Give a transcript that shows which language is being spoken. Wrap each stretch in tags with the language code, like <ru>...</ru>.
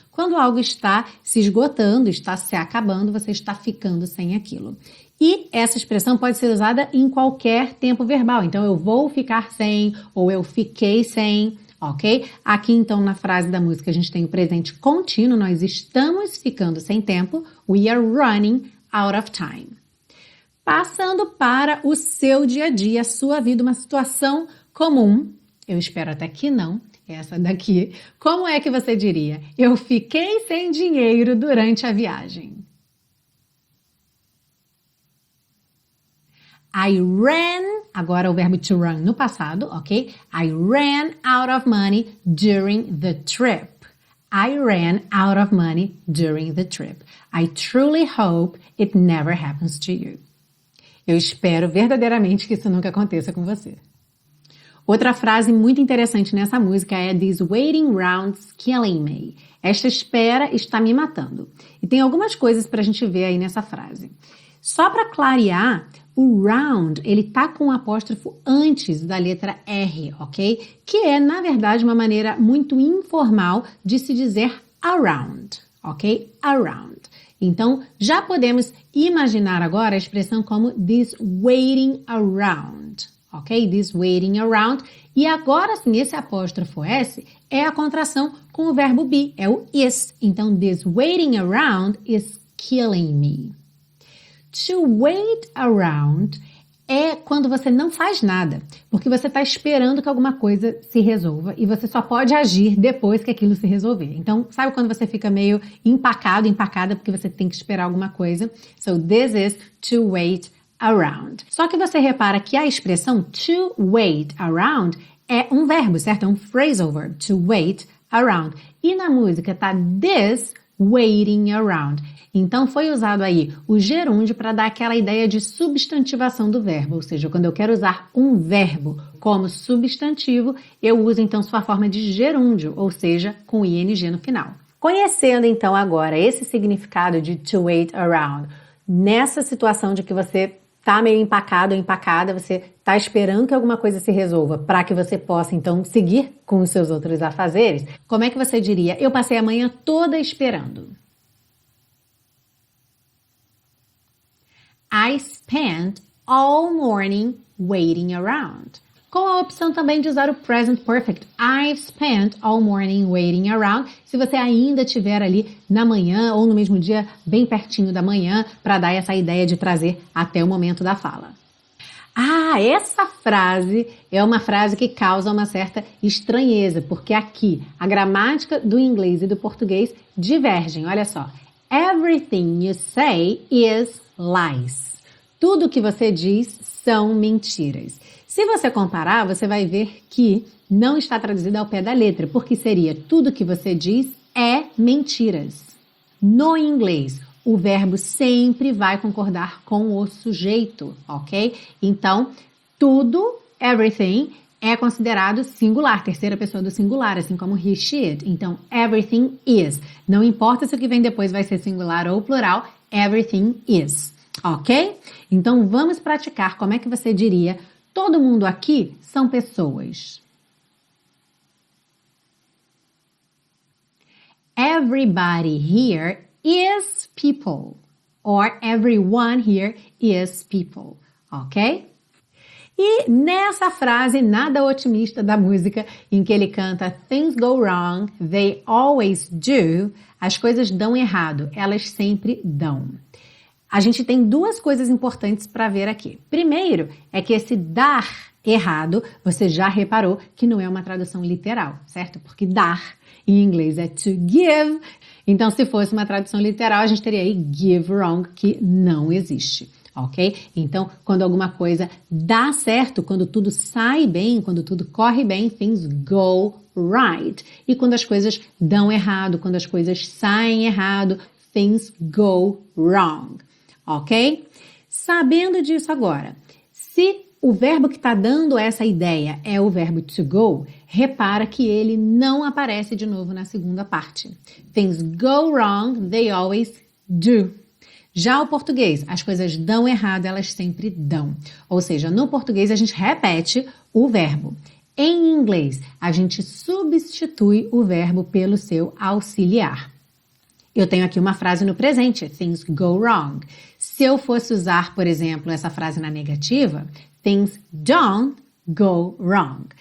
<pt>Quando algo está se esgotando, está se acabando, você está ficando sem aquilo. E essa expressão pode ser usada em qualquer tempo verbal. Então, eu vou ficar sem, ou eu fiquei sem, ok? Aqui, então, na frase da música, a gente tem o presente contínuo. Nós estamos ficando sem tempo.</pt> <en>We are running out of time.</en> <pt>Passando para o seu dia a dia, a sua vida, uma situação comum. Eu espero até que não. Essa daqui. Como é que você diria? Eu fiquei sem dinheiro durante a viagem.</pt> <en>I ran,</en> <pt>agora o verbo to run no passado, ok?</pt> <en>I ran out of money during the trip. I ran out of money during the trip. I truly hope it never happens to you.</en> <pt>Eu espero verdadeiramente que isso nunca aconteça com você. Outra frase muito interessante nessa música é</pt> <en>"This waiting round's killing me."</en> <pt>Esta espera está me matando. E tem algumas coisas para a gente ver aí nessa frase. Só para clarear, o round, ele tá com um apóstrofo antes da letra R, ok? Que é, na verdade, uma maneira muito informal de se dizer around, ok? Around. Então, já podemos imaginar agora a expressão como</pt> <en>"this waiting around",</en> <pt>ok?</pt> <en>This waiting around.</en> <pt>E agora sim, esse apóstrofo S é a contração com o verbo be, é o is. Então,</pt> <en>this waiting around is killing me. To wait around</en> <pt>é quando você não faz nada, porque você está esperando que alguma coisa se resolva e você só pode agir depois que aquilo se resolver. Então, sabe quando você fica meio empacado, empacada, porque você tem que esperar alguma coisa?</pt> <en>So, this is to wait around.</en> <pt>Só que você repara que a expressão</pt> <en>to wait around</en> <pt>é um verbo, certo? É um phrasal verb,</pt> <en>to wait around.</en> <pt>E na música está</pt> <en>this waiting around.</en> <pt>Então, foi usado aí o gerúndio para dar aquela ideia de substantivação do verbo. Ou seja, quando eu quero usar um verbo como substantivo, eu uso, então, sua forma de gerúndio, ou seja, com ing no final. Conhecendo, então, agora esse significado de to wait around, nessa situação de que você está meio empacado ou empacada, você está esperando que alguma coisa se resolva para que você possa, então, seguir com os seus outros afazeres, como é que você diria, eu passei a manhã toda esperando?</pt> <en>I spent all morning waiting around.</en> <pt>Com a opção também de usar o present perfect.</pt> <en>I've spent all morning waiting around.</en> <pt>Se você ainda estiver ali na manhã ou no mesmo dia, bem pertinho da manhã, para dar essa ideia de trazer até o momento da fala. Ah, essa frase é uma frase que causa uma certa estranheza, porque aqui a gramática do inglês e do português divergem. Olha só.</pt> <en>Everything you say is lies.</en> <pt>Tudo que você diz são mentiras. Se você comparar, você vai ver que não está traduzido ao pé da letra, porque seria tudo que você diz é mentiras. No inglês, o verbo sempre vai concordar com o sujeito, ok? Então, tudo, everything, é considerado singular, terceira pessoa do singular, assim como he, she, it. Então,</pt> <en>everything is.</en> <pt>Não importa se o que vem depois vai ser singular ou plural, everything is. Ok? Então, vamos praticar como é que você diria todo mundo aqui são pessoas.</pt> <en>Everybody here is people. Or everyone here is people. Ok?</en> <pt>E nessa frase nada otimista da música em que ele canta</pt> <en>"Things go wrong, they always do",</en> <pt>as coisas dão errado, elas sempre dão. A gente tem duas coisas importantes para ver aqui. Primeiro, é que esse dar errado, você já reparou que não é uma tradução literal, certo? Porque dar, em inglês, é to give. Então, se fosse uma tradução literal, a gente teria aí give wrong, que não existe, ok? Então, quando alguma coisa dá certo, quando tudo sai bem, quando tudo corre bem,</pt> <en>things go right.</en> <pt>E quando as coisas dão errado, quando as coisas saem errado,</pt> <en>things go wrong.</en> <pt>Ok? Sabendo disso agora, se o verbo que está dando essa ideia é o verbo to go, repara que ele não aparece de novo na segunda parte.</pt> <en>Things go wrong, they always do.</en> <pt>Já o português, as coisas dão errado, elas sempre dão. Ou seja, no português a gente repete o verbo. Em inglês, a gente substitui o verbo pelo seu auxiliar. Eu tenho aqui uma frase no presente,</pt> <en>things go wrong.</en> <pt>Se eu fosse usar, por exemplo, essa frase na negativa,</pt> <en>things don't go wrong.</en>